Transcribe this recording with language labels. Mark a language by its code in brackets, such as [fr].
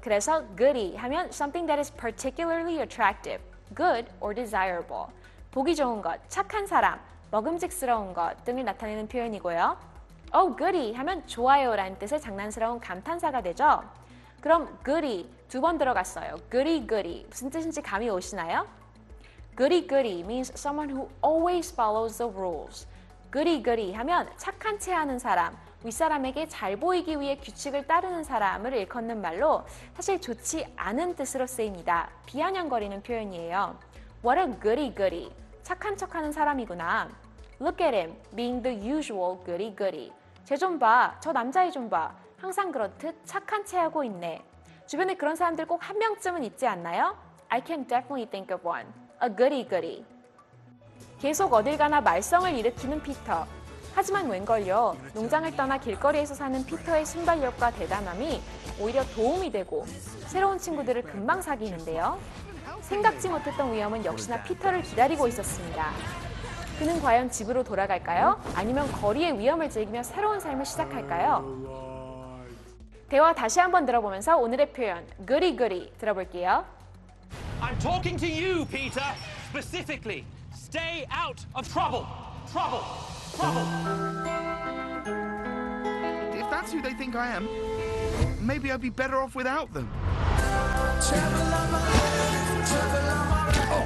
[ko] 그래서 goody 하면 [en] something that is particularly attractive, good or desirable. [ko] 보기 좋은 것, 착한 사람, 먹음직스러운 것 등을 나타내는 표현이고요. Oh, goody 하면 좋아요라는 뜻의 장난스러운 감탄사가 되죠. 그럼 goody 두 번 들어갔어요. goody goody 무슨 뜻인지 감이 오시나요? [en] goody goody means someone who always follows the rules. [ko] goody goody 하면 착한 체 하는 사람, 윗사람에게 잘 보이기 위해 규칙을 따르는 사람을 일컫는 말로 사실 좋지 않은 뜻으로 쓰입니다. 비아냥거리는 표현이에요. [en] What a goody goody. [ko] 착한 척 하는 사람이구나. [en] Look at him being the usual goody goody. [ko] 쟤 좀 봐, 저 남자애 좀 봐. 항상 그렇듯 착한 체 하고 있네. 주변에 그런 사람들 꼭 한 명쯤은 있지 않나요? [en] I can definitely think of one. A goody goody. [ko] 계속 어딜 가나 말썽을 일으키는 피터. 하지만 웬걸요? 농장을 떠나 길거리에서 사는 피터의 순발력과 대담함이 오히려 도움이 되고 새로운 친구들을 금방 사귀는데요. 생각지 못했던 위험은 역시나 피터를 기다리고 있었습니다. 그는 과연 집으로 돌아갈까요? 아니면 거리의 위험을 즐기며 새로운 삶을 시작할까요? 대화 다시 한번 들어보면서 오늘의 표현 goody goody 들어볼게요. [en] I'm talking to you, Peter. Specifically, stay out of trouble. Trouble. Trouble. If that's who they think I am, maybe I'd be better off without them. Trouble on my head, trouble on my head.